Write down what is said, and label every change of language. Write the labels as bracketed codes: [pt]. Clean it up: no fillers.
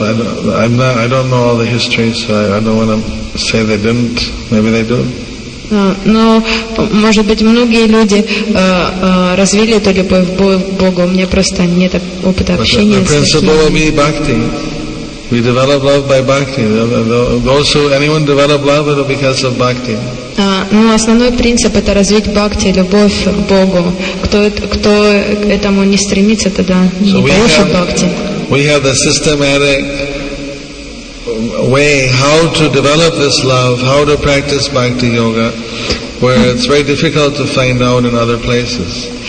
[en] I don't know all the history, so I don't want to say they didn't. Maybe they do. [ru] Но, может быть, многие люди развили эту любовь к Богу. У меня просто нет опыта общения с такими. [en] But the principle of bhakti. We develop love by bhakti. Anyone develop love, it'll be because of bhakti. [ru] Но основной принцип — это развить бхакти, любовь к Богу. Кто к этому не стремится, тогда не получит бхакти. [en] We have the systematic way how to develop this love, how to practice bhakti yoga, where it's very difficult to find out in other places.